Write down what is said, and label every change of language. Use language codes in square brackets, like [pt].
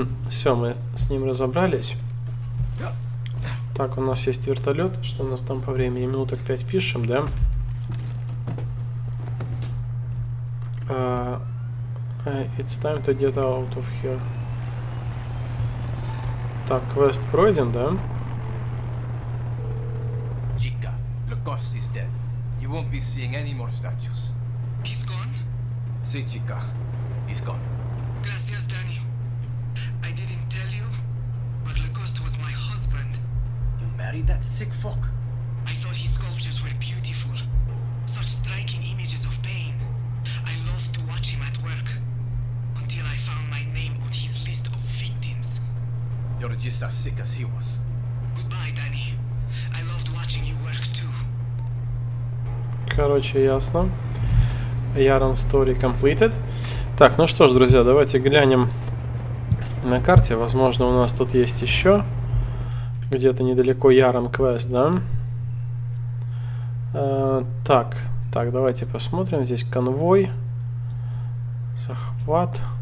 [ru] Все, мы с ним разобрались. Так, у нас есть вертолет. Что у нас там по времени? Минуток 5 пишем, да? [en] It's time to get out of here. [ru] Так, квест пройден, да? [en] Chica, the ghost is dead. You won't be seeing any more statues. He's gone? Si, Chica, he's gone. [es] Gracias, Danny. [en] I didn't tell you, but the ghost was my husband. You married that sick fuck? I thought his sculptures were beautiful. Such striking images of pain. I loved to watch him at work. Until I found my name on his list of victims. You're just as sick as he was. Goodbye, Danny. I loved watching you work too. [ru] Короче, ясно. [en] Яром story completed. [ru] Так, ну что ж, друзья, давайте глянем на карте. Возможно, у нас тут есть еще где-то недалеко Яром квест, да? Так, давайте посмотрим. Здесь конвой. Захват.